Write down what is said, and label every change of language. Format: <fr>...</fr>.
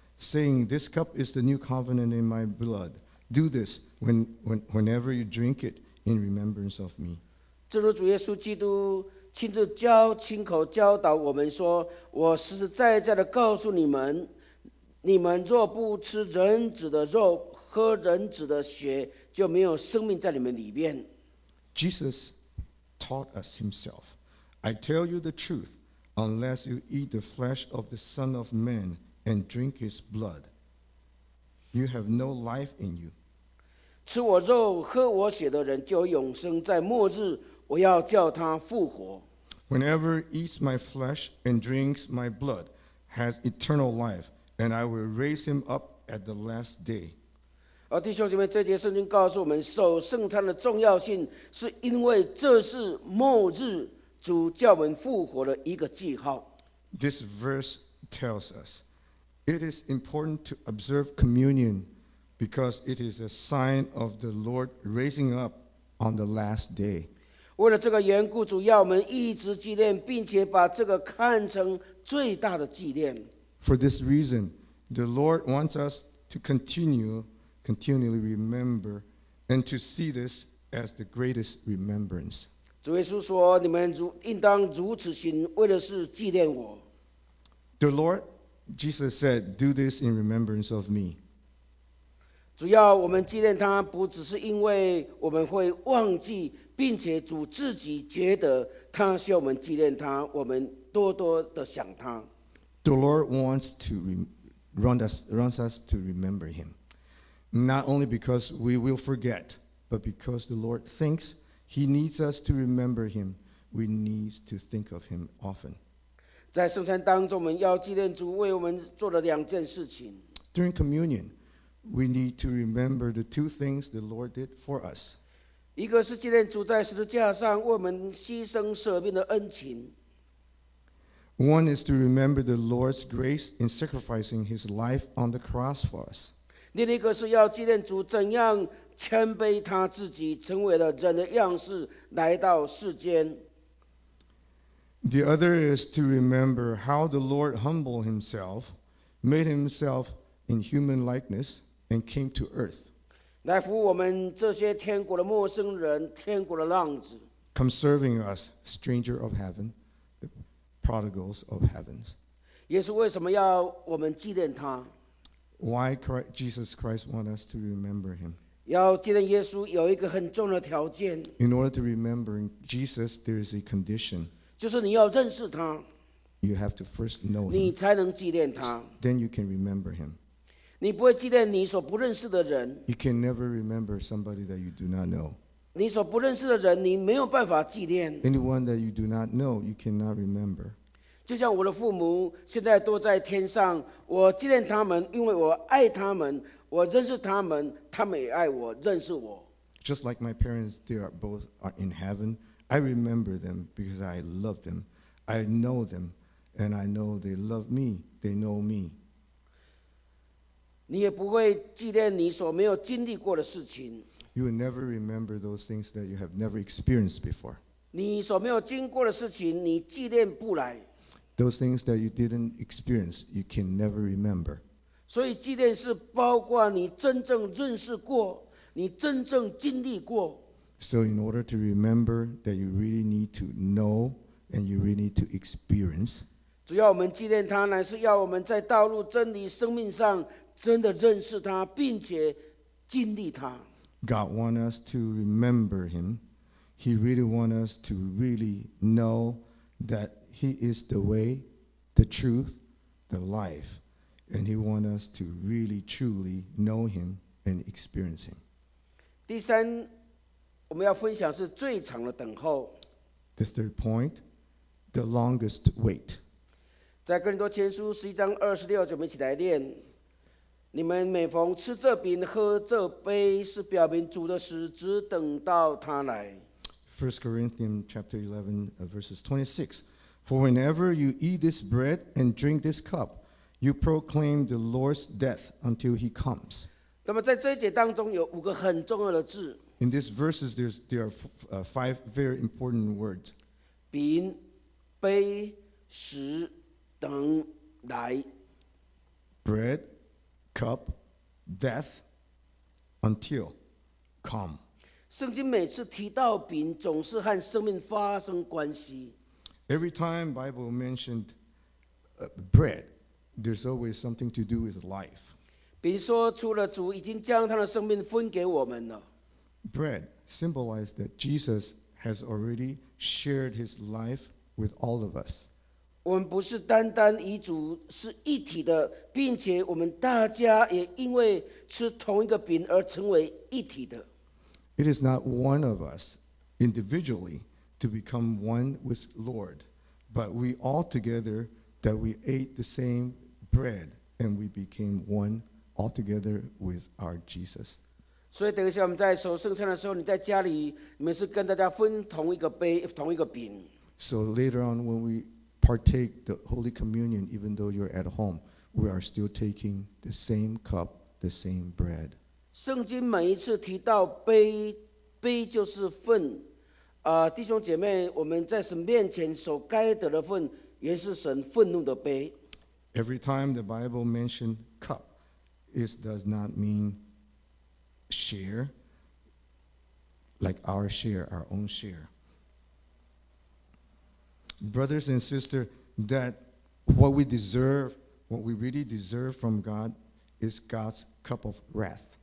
<en>Saying, this cup is the new covenant in my blood. Do this whenever you drink it in remembrance of me.</en> <zh>正如主耶稣基督亲自亲口教导我们说，我实实在在的告诉你们，你们若不吃人子的肉，喝人子的血，就没有生命在你们里面。</zh> <en>Jesus taught us himself I tell you the truth, unless you eat the flesh of the Son of Man and drink his blood, you have no life in you.</en> <zh>吃我肉喝我血的人就有永生，在末日我要叫他复活。</zh> <en>Whenever eats my flesh and drinks my blood has eternal life, and I will raise him up at the last day.</en> <zh>而弟兄姐妹，这节圣经告诉我们守圣餐的重要性，是因为这是末日主叫我们复活的一个记号。</zh> <en>This verse tells us it is important to observe communion because it is a sign of the Lord raising up on the last day.</en> <zh>为了这个缘故，主要我们一直纪念，并且把这个看成最大的纪念。</zh> <en>For this reason, the Lord wants us to continually remember and to see this as the greatest remembrance.</en> <zh>主耶稣说，你们应当如此行，为的是纪念我。</zh> <en>The Lord Jesus said, do this in remembrance of me.</en> <zh>主要我们纪念他，不只是因为我们会忘记，并且主自己觉得他需要我们纪念他，我们多多的想他。</zh> <en>The Lord wants to runs us to remember him, not only because we will forget, but because the Lord thinks he needs us to remember him, we need to think of him often.</en> <zh>在圣餐当中，我们要纪念主为我们做了两件事情。</zh> <en>During communion, we need to remember the two things the Lord did for us.</en> <zh>一个是纪念主在十字架上为我们牺牲舍命的恩情。</zh> <en>One is to remember the Lord's grace in sacrificing his life on the cross for us.</en> <zh>另一个是要纪念主怎样谦卑他自己，成为了人的样式，来到世间。</zh> <en>The other is to remember how the Lord humbled himself, made himself in human likeness, and came to earth.</en> <zh>来服我们这些天国的陌生人，天国的浪子。</zh> <en>Come serving us, stranger of heaven, the prodigals of heavens.</en> <zh>耶稣为什么要我们纪念他？</zh> <en>Why Jesus Christ want us to remember him?</en> <zh>要纪念耶稣有一个很重的条件。</zh> <en>In order to remember Jesus, there is a condition.</en> <zh>就是你要认识他，</zh> <en>you have to first know him,</en> <zh>你才能纪念他。</zh> <en>Then you can remember him.</en> <zh>你不会纪念你所不认识的人。</zh> <en>You can never remember somebody that you do not know.</en> <zh>你所不认识的人，你没有办法纪念。</zh> <en>Anyone that you do not know, you cannot remember.</en> <zh>就像我的父母现在都在天上，我纪念他们，因为我爱他们，我认识他们，他们也爱我，认识我。</zh> <en>Just like my parents, they are both are in heaven. I remember them because I love them. I know them, and I know they love me. They know me.</en> <zh>你也不会纪念你所没有经历过的事情。</zh> <en>You will never remember those things that you have never experienced before.</en> <zh>你所没有经过的事情，你纪念不来。</zh> <en>Those things that you didn't experience, you can never remember.</en> <zh>所以纪念是包括你真正认识过，你真正经历过。</zh> <en>So in order to remember that you really need to know and you really need to experience.</en> <zh>主要我们纪念他，乃是要我们在道路、真理、生命上真的认识他，并且经历他。</zh> <en>God wants us to remember him. He really wants us to really know that he is the way, the truth, the life. And he wants us to really, truly know him and experience him.</en> <zh>第三我们要分享是最长的等候。</zh> <en>The third point, the longest wait.</en> <zh>在哥林多前书十一章二十六节，我们一起来念：你们每逢吃这饼、喝这杯，是表明主的时，只等到他来。</zh> <en>First Corinthians chapter 11, verses 26. For whenever you eat this bread and drink this cup, you proclaim the Lord's death until he comes.</en> <zh>那么在这一节当中有五个很重要的字。</zh> <en>In these verses, there are five very important words.</en> <zh>饼、杯、食、等、来。</zh> <en>Bread, cup, death, until, come.</en> <zh>圣经每次提到饼，总是和生命发生关系。</zh> <en>Every time Bible mentioned bread, there's always something to do with life.</en> <zh>饼说出了主已经将他的生命分给我们了。</zh> <en>Bread symbolized that Jesus has already shared his life with all of us.</en> <zh>我们不是单单与主是一体的，并且我们大家也因为吃同一个饼而成为一体的。</zh> <en>It is not one of us individually to become one with Lord, but we all together that we ate the same bread and we became one all together with our Jesus.</en> <zh>所以等一下我们在守圣餐的时候，你在家里你们是跟大家分同一个杯同一个饼。</zh> <en>So later on when we partake the Holy Communion, even though you're at home, we are still taking the same cup, the same bread.</en> <zh>圣经每一次提到杯，杯就是份。弟兄姐妹，我们在神面前所该得的份，原是神愤怒的杯。</zh> <en>Every time the Bible mentioned cup, it does not mean share, like our share, our own share. Brothers and sisters, that what we deserve, what we really deserve from God, is God's cup of wrath.</en>